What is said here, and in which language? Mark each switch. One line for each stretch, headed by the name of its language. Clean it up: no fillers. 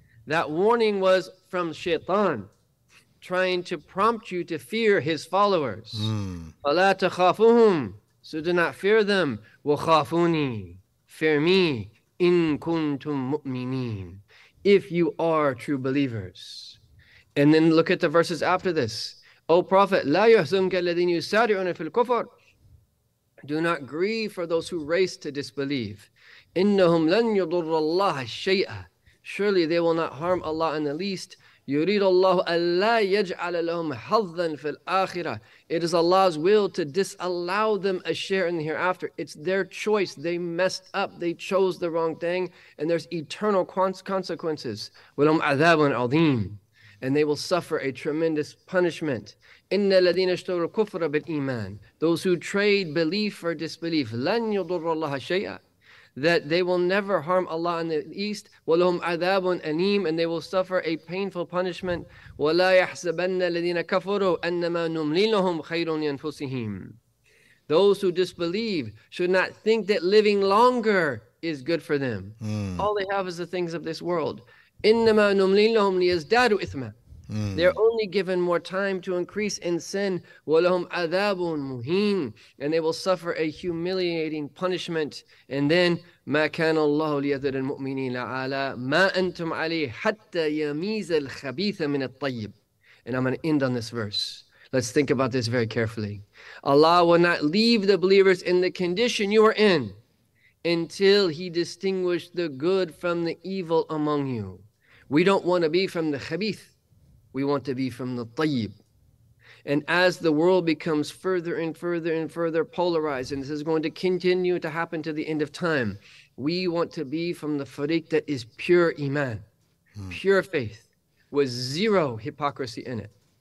English: That warning was from Shaytan, trying to prompt you to fear his followers.
Arabic: فَلَا تَخَافُهُمْ.
English: So do not fear them.
Arabic: وَخَافُونِي.
English: Fear me.
Arabic: إِن كُنْتُم مُؤْمِنِينَ.
English: If you are true believers. And then look at the verses after this. O Prophet,
Arabic: لَا يَحْزُنْكَ الَّذِينَ يُسَارِعُونَ فِي الْكُفْرِ.
English: Do not grieve for those who race to disbelieve.
Arabic: إِنَّهُمْ لَنْ يُضُرَّ اللَّهَ شَيْئًا.
English: Surely they will not harm Allah in the least.
Arabic: يريد الله ألا يجعل لهم حظا في الآخرة.
English: It is Allah's will to disallow them a share in the hereafter. It's their choice. They messed up. They chose the wrong thing. And there's eternal consequences.
Arabic: ولهم عذاب عظيم.
English: And they will suffer a tremendous punishment.
Arabic: إِنَّ الَّذِينَ اشْتَرُوا الْكُفْرَ بِالْإِيمَانِ
English: Those who trade belief for disbelief.
Arabic: لَنْ يُضُرَّ اللَّهَ شَيْئًا
English: That they will never harm Allah in the east.
Arabic: وَلَهُمْ عَذَابٌ أَنِيمٌ
English: And they will suffer a painful punishment.
Arabic: وَلَا يَحْسَبَنَّ الَّذِينَ كَفُرُوا أَنَّمَا نُمْلِي لَهُمْ خَيْرٌ يَنْفُسِهِمْ
English: Those who disbelieve should not think that living longer is good for them. Mm. All they have is the things of this world.
Arabic: إِنَّمَا نُمْلِي لَهُمْ لِيَزْدَادُوا إِثْمًا
English: They're only given more time to increase in sin.
Arabic: وَلَهُمْ عَذَابٌ مُهِينٌ
English: And they will suffer a humiliating punishment. And then,
Arabic: مَا كَانَ اللَّهُ لِيَذَرَ الْمُؤْمِنِينَ عَلَىٰ مَا أَنْتُمْ عَلَيْهِ حَتَّى يَمِيزَ الْخَبِيثَ مِنَ الطَّيِّبِ
English: And I'm going to end on this verse. Let's think about this very carefully. Allah will not leave the believers in the condition you are in until He distinguished the good from the evil among you. We don't want to be from the khabith. We want to be from the tayyib. And as the world becomes further and further and further polarized, and this is going to continue to happen to the end of time, we want to be from the fariq that is pure iman, pure faith, with zero hypocrisy in it.